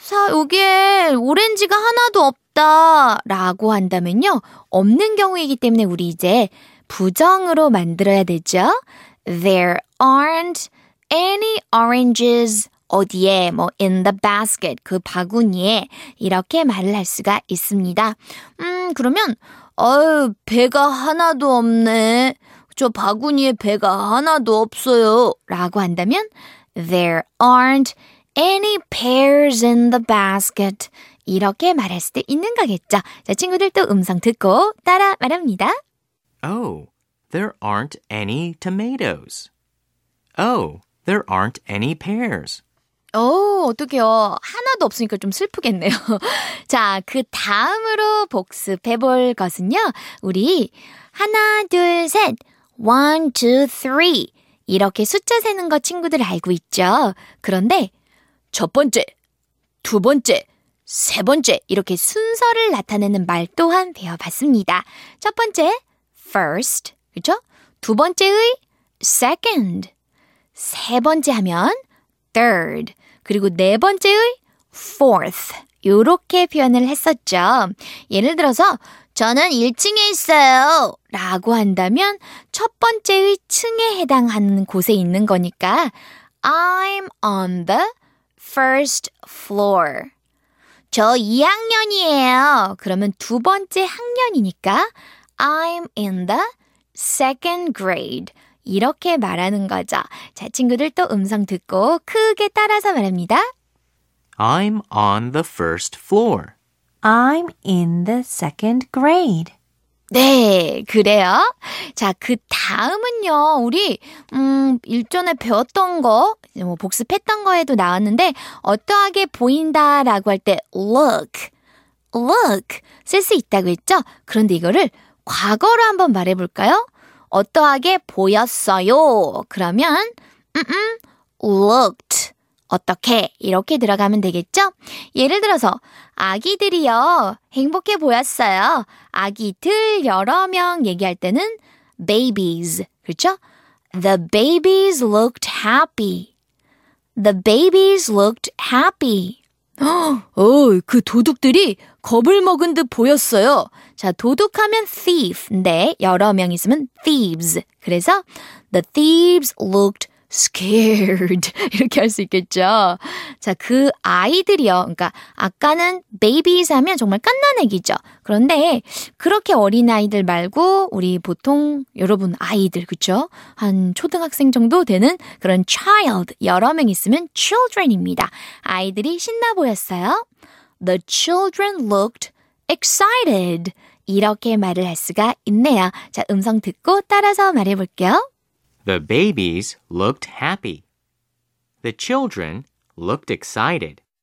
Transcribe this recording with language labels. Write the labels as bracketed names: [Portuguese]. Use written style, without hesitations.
[Korean] 여기에 오렌지가 하나도 없다. 라고 한다면요? 없는 경우이기 때문에 우리 이제 부정으로 만들어야 되죠? [English] There aren't any oranges. [Korean] 어디에, 뭐 [English] in the basket, [Korean] 그 바구니에 이렇게 말을 할 수가 있습니다. 그러면 아유, 배가 하나도 없네. 저 바구니에 배가 하나도 없어요. 라고 한다면 [English] There aren't any pears in the basket. [Korean] 이렇게 말할 수도 있는 거겠죠. 자, 친구들 또 음성 듣고 따라 말합니다. [English] Oh, there aren't any tomatoes. Oh, there aren't any pears. [Korean] 오, 어떡해요. 하나도 없으니까 좀 슬프겠네요. 자, 그 다음으로 복습해 볼 것은요. 우리 하나, 둘, 셋, 1, 2, 3 이렇게 숫자 세는 거 친구들 알고 있죠? 그런데 첫 번째, 두 번째, 세 번째 이렇게 순서를 나타내는 말 또한 배워봤습니다. 첫 번째, first, 그렇죠? 두 번째의 second, 세 번째 하면 third, 그리고 네 번째의 fourth 이렇게 표현을 했었죠. 예를 들어서 저는 1층에 있어요 라고 한다면 첫 번째의 층에 해당하는 곳에 있는 거니까 [English] I'm on the first floor. [Korean] 저 2학년이에요. 그러면 두 번째 학년이니까 [English] I'm in the second grade. [Korean] 이렇게 말하는 거죠. 자, 친구들 또 음성 듣고 크게 따라서 말합니다. [English] I'm on the first floor. I'm in the second grade. [Korean] 네, 그래요. 자, 그 다음은요. 우리 일전에 배웠던 거, 뭐 복습했던 거에도 나왔는데 어떠하게 보인다라고 할 때 look, look 쓸 수 있다고 했죠? 그런데 이거를 과거로 한번 말해볼까요? 어떠하게 보였어요? 그러면 looked 어떻게? 이렇게 들어가면 되겠죠? 예를 들어서 아기들이요. 행복해 보였어요. 아기들 여러 명 얘기할 때는 babies, 그렇죠? [English] The babies looked happy. The babies looked happy. [Korean] 그 도둑들이 겁을 먹은 듯 보였어요. 자, 도둑하면 thief인데 여러 명 있으면 thieves. 그래서 [English] the thieves looked scared [Korean] 이렇게 할 수 있겠죠. 자, 그 아이들이요. 그러니까 아까는 babies 하면 정말 갓난 애기죠. 그런데 그렇게 어린 아이들 말고 우리 보통 여러분 아이들 그렇죠? 한 초등학생 정도 되는 그런 child 여러 명 있으면 children입니다. 아이들이 신나 보였어요. [English] The children looked excited. [Korean] 이렇게 말을 할 수가 있네요. 자, 음성 듣고 따라서 말해 볼게요. [English] The babies looked happy. The children looked excited.